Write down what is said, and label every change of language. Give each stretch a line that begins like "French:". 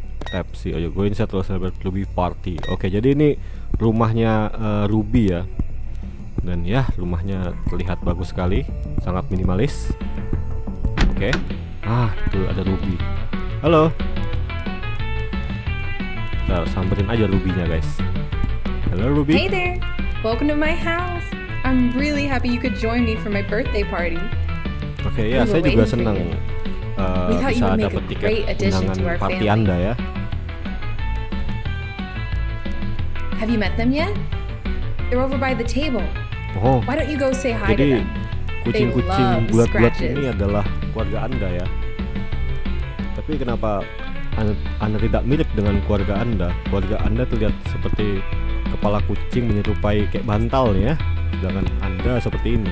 English: Tap sih, ayo go inside to celebrate Ruby party.
Indonesian: Oke, jadi ini rumahnya Ruby ya. Dan ya, rumahnya terlihat bagus sekali, sangat minimalis. Oke. Ah, tuh ada Ruby. Halo. Kita samperin aja Ruby-nya guys. Halo Ruby.
English: Hey there. Welcome to my house. I'm really happy you could join me for my birthday party.
Indonesian: Oke, ya, saya juga senang. Bisa dapat tiket undangan party Anda ya.
English: Have you met them yet? They're over by the table. Oh. Why don't you go say hi
Indonesian: jadi,
English: to them?
Indonesian: Kucing-kucing bulat-bulat ini adalah keluarga Anda ya. Tapi kenapa Anda tidak mirip dengan keluarga Anda? Keluarga Anda terlihat seperti kepala kucing menyerupai kayak bantal ya. Sedangkan Anda seperti ini.